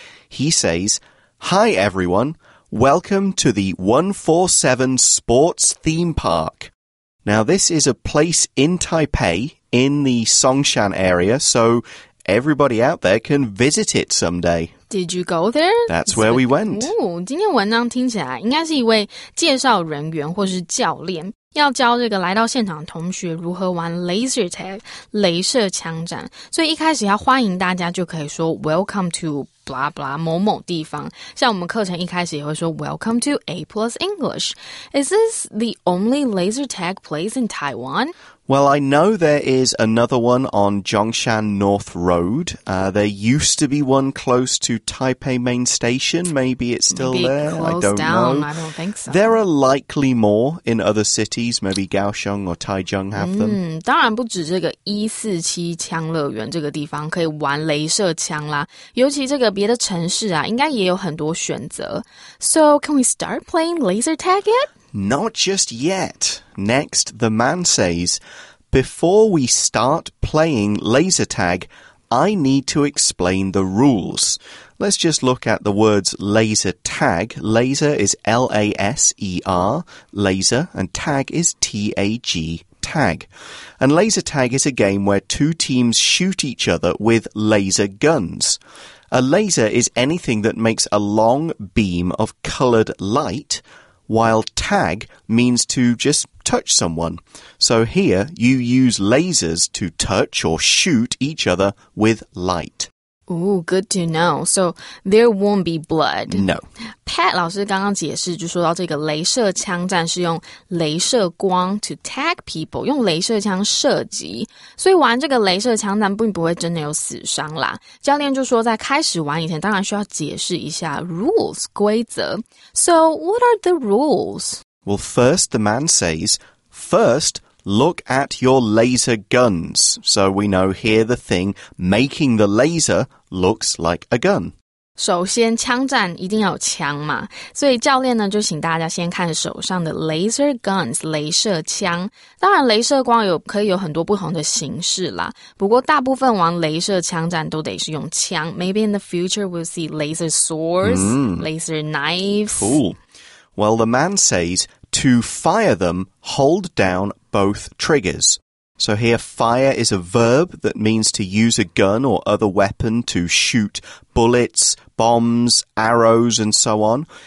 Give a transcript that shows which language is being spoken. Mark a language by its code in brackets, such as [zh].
[en] He says, Hi everyone, welcome to the 147 Sports Theme Park. Now this is a place in Taipei, in the Songshan area, so everybody out there can visit it someday. Did you go there? That's where we went. [zh] 今天文章听起来应该是一位介绍人员或是教练要教这个来到现场的同学如何玩 laser tag, 雷射枪战。所以一开始要欢迎大家就可以说 welcome to blah blah 某某地方。像我们课程一开始也会说 welcome to A plus English. [en] Is this the only laser tag place in Taiwan? Well, I know there is another one on Zhongshan North Road. There used to be one close to Taipei Main Station. Maybe it's still maybe there. I don't know. I don't think so. There are likely more in other cities. Maybe Kaohsiung or Taichung have them. [zh] 当然不止这个147枪乐园这个地方可以玩雷射枪啦。尤其这个别的城市啊应该也有很多选择。 [en] So, can we start playing laser tag yet? Not just yet. Next, the man says, Before we start playing laser tag, I need to explain the rules. Let's just look at the words laser tag. Laser is L-A-S-E-R, laser, and tag is T-A-G, tag. And laser tag is a game where two teams shoot each other with laser guns. A laser is anything that makes a long beam of colored light,While tag means to just touch someone. So here, you use lasers to touch or shoot each other with light. Ooh, good to know. So there won't be blood. No. [zh] Pat 老师刚刚解释就说到这个雷射枪战是用雷射光 to tag people, 用雷射枪射击。所以玩这个雷射枪战并不会真的有死伤啦。教练就说在开始玩以前当然需要解释一下 rules, 规则。 [en] So what are the rules? Well, first the man says, first, look at your laser guns. So we know here the thing making the laser looks like a gun. [zh] 首先枪战一定要有枪嘛所以教练呢就请大家先看手上的 laser guns, 雷射枪。当然雷射光有可以有很多不同的形式啦。不过大部分玩雷射枪战都得是用枪。 [en] Maybe in the future we'll see laser swords,、mm. laser knives. Cool. Well, the man says, to fire them, hold down both triggers. So here, fire is a verb that means to use a gun or other weapon to shoot bullets, bombs, arrows, and so on.